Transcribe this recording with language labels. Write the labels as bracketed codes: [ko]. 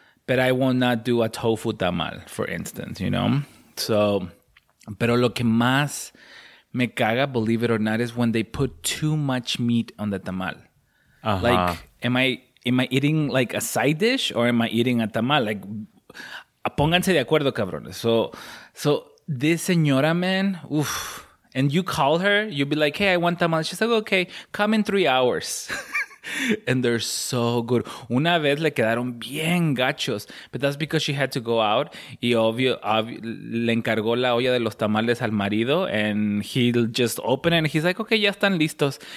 [en] But I will not do a tofu tamal, for instance, you know? So, [es] pero lo que más me caga, [en] believe it or not, is when they put too much meat on the tamal. Uh-huh. Like, am I eating like a side dish or am I eating a tamal? [es] Like, pónganse de acuerdo, cabrones. [en] So this señora, man, oof. And you call her, you'll be like, hey, I want tamal. She's like, okay, come in 3 hours. And they're so good. [es] Una vez le quedaron bien gachos, [en] but that's because she had to go out. [es] Y obvio, le encargó la olla de los tamales al marido, [en] and he'll just open it, and he's like, okay, [es] ya están listos.